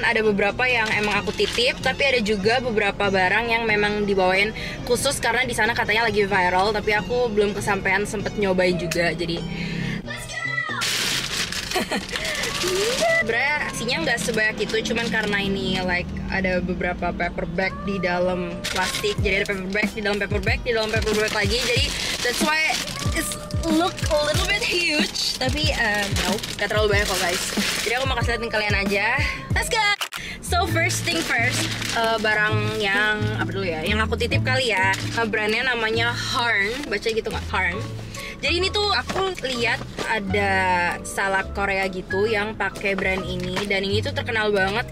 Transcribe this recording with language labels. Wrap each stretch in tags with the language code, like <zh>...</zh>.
<id>Ada beberapa yang emang aku titip, tapi ada juga beberapa barang yang memang dibawain khusus karena di sana katanya lagi viral, tapi aku belum kesampaian sempet nyobain juga. Jadi sebenernya isinya gak sebanyak itu, cuman karena ini like ada beberapa paper bag di dalam plastik. Jadi ada paper bag di dalam paper bag di dalam paper bag lagi.</id> <en>Jadi that's why it's look a little bit huge.</en> <id>Tapi nope, gak terlalu banyak kok guys. Jadi aku mau kasih liatin kalian aja.</id> <en>Let's go! So first thing first,</en> <id>barang yang apa dulu ya, yang aku titip kali ya. Brandnya namanya Harn, baca gitu gak? Harn. Jadi ini tuh aku lihat ada salad Korea gitu yang pakai brand ini dan ini tuh terkenal banget.</id>